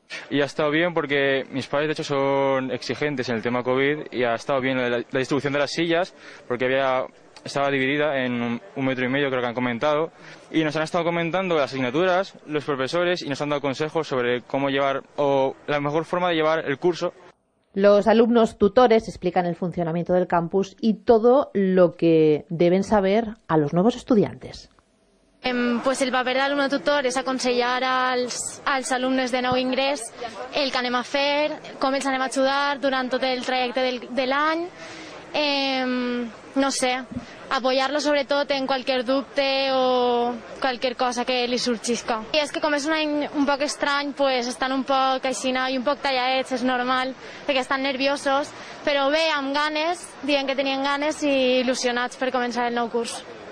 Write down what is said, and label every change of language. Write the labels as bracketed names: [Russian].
[Spanish] Y ha estado bien porque mis padres de hecho son exigentes en el tema COVID, y ha estado bien la distribución de las sillas porque estaba dividida en un metro y medio, creo que han comentado, y nos han estado comentando las asignaturas, los profesores, y nos han dado consejos sobre cómo llevar o la mejor forma de llevar el curso. Los alumnos tutores explican el funcionamiento del campus y todo lo que deben saber a los nuevos estudiantes. [Catalan] Pues el papel de alumno tutor es aconsellar als alumnes de nou ingrés el que anem a fer, com els anem a ajudar durant tot el trajecte de l'any. [Spanish] No sé, apoyarlo sobre todo en cualquier dubte o cualquier cosa que le surgisca. Y es que como es un año un poco extraño, pues están un poco aixinados y un poco talladets, es normal, que están nerviosos, pero ve, [Catalan] amb ganes, [Spanish] dicen que tenían ganes y ilusionados por comenzar el nou curso.